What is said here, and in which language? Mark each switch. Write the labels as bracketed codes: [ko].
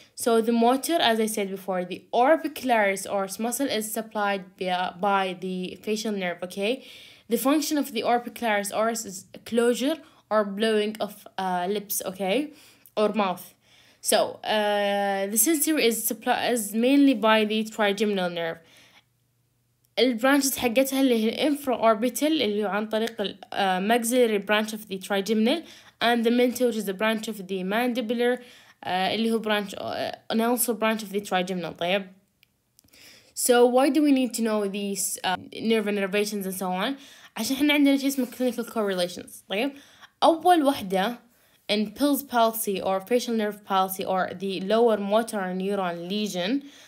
[en] So the motor, as I said before, the orbicularis oris muscle is supplied by the facial nerve, okay? The function of the orbicularis oris is closure or blowing of lips, okay? Or mouth. So the sensory is supplied mainly by the trigeminal nerve. البرانشز [ar] حقتها اللي هي [en] الانفرا اوربيتال [ar] اللي عن طريق [en] الماكسيلري branch of the trigeminal and the mental which is the branch of the mandibular [ar] اللي هو [en] Branch and also branch of the trigeminal. [ar] طيب. [en] So why do we need to know these nerve innervations and so on؟ [ar] عشان احنا عندنا شيء اسمه [en] clinical correlations. [ar] طيب. اول وحده [en] in pils palsy or facial nerve palsy or the lower motor neuron lesion.